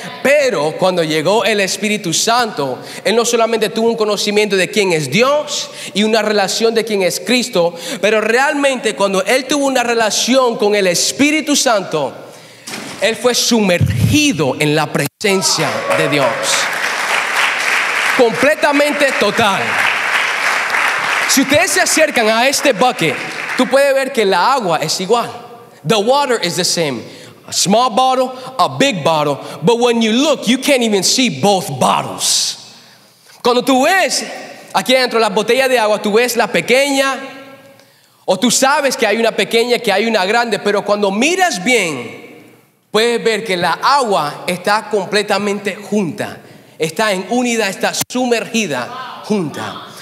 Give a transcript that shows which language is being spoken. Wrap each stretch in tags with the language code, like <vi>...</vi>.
<es>Pero cuando llegó el Espíritu Santo, él no solamente tuvo un conocimiento de quién es Dios y una relación de quién es Cristo, pero realmente cuando él tuvo una relación con el Espíritu Santo, él fue sumergido en la presencia de Dios. Completamente total. Si ustedes se acercan a este bucket, tú puedes ver que la agua es igual.</es> <en>The water is the same. A small bottle, a big bottle. But when you look, you can't even see both bottles.</en> <es>Cuando tú ves aquí adentro la botella de agua, tú ves la pequeña, o tú sabes que hay una pequeña, que hay una grande. Pero cuando miras bien, puedes ver que la agua está completamente junta. Está en unidad, está sumergida junta.</es>